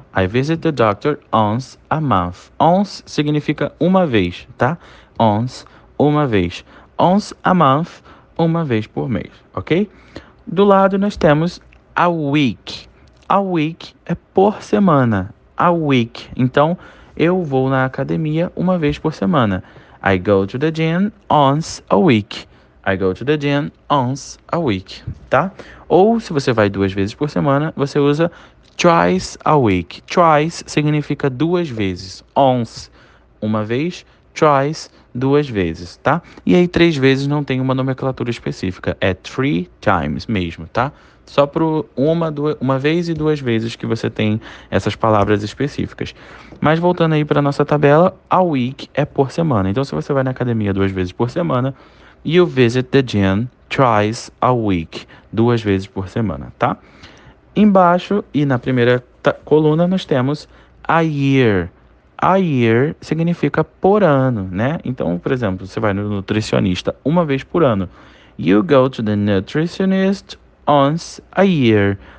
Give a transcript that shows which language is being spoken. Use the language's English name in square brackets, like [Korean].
[English] I visit the doctor once a month. [Portuguese] Once significa uma vez, tá? Once, uma vez. [English] Once a month, [Portuguese] uma vez por mês, ok? Do lado nós temos a week. A week é por semana. A week. Então, eu vou na academia uma vez por semana. [English] I go to the gym once a week. I go to the gym once a week, tá? [Portuguese] Ou se você vai duas vezes por semana, você usa twice a week. Twice significa duas vezes. Once, uma vez. Twice, duas vezes, tá? E aí, três vezes não tem uma nomenclatura específica. É three times mesmo, tá? Só pro uma vez e duas vezes que você tem essas palavras específicas. Mas voltando aí para nossa tabela, a week é por semana. Então, se você vai na academia duas vezes por semana, [English] you visit the gym twice a week. [Portuguese] Duas vezes por semana, tá? Embaixo e na primeira coluna nós temos a year. A year significa por ano, né? Então, por exemplo, você vai no nutricionista uma vez por ano. [English] You go to the nutritionist once a year.